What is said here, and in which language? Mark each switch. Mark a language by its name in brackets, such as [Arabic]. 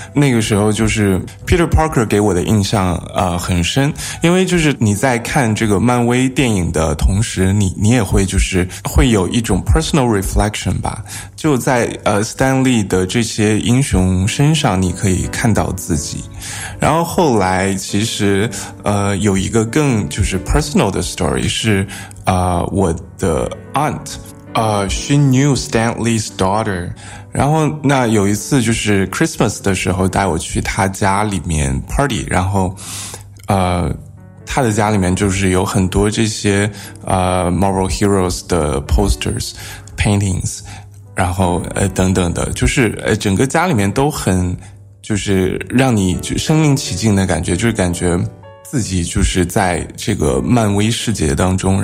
[Chinese] 那个时候就是 Peter Parker 给我的印象很深，因为就是你在看这个漫威电影的同时，你也会就是会有一种 personal reflection 吧，就在Stan Lee 的这些英雄身上你可以看到自己。然后后来其实有一个更就是 personal 的 story 是我的 [English] aunt she knew Stan Lee's daughter. [Chinese] 然后那有一次就是 Christmas 的时候带我去他家里面 party， 然后他的家里面就是有很多这些Marvel Heroes 的 posters, paintings, 然后等等的，就是整个家里面都很就是让你就身临其境的感觉，就是感觉自己就是在这个漫威世界当中。